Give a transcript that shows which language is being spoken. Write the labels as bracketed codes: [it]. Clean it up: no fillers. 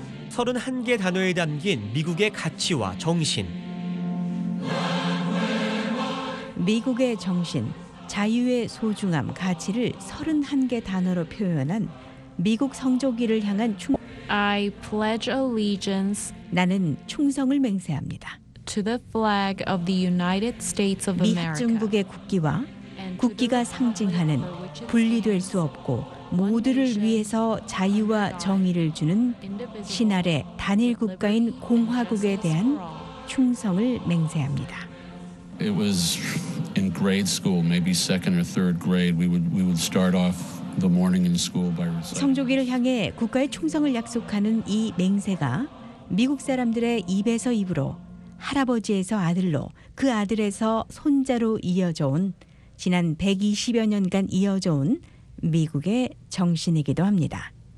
[ko] 31개 단어에 담긴 미국의 가치와 정신. 미국의 정신, 자유의 소중함, 가치를 31개 단어로 표현한 미국 성조기를 향한 [en] I pledge allegiance [ko] 나는 충성을 맹세합니다. [en] To the flag of the United States of America [ko] 미중국의 국기와 국기가 상징하는 분리될 수 없고 모두를 위해서 자유와 정의를 주는 신아래 단일 국가인 공화국에 대한 충성을 맹세합니다. [en] It was in grade school, maybe second or third grade, we would start off the morning in school by reciting. [ko] 성조기를 향해 국가의 충성을 약속하는 이 맹세가 미국 사람들의 입에서 입으로 할아버지에서 아들로 그 아들에서 손자로 이어져 온 지난 120여 년간 이어져 온 미국의 정신이기도 합니다.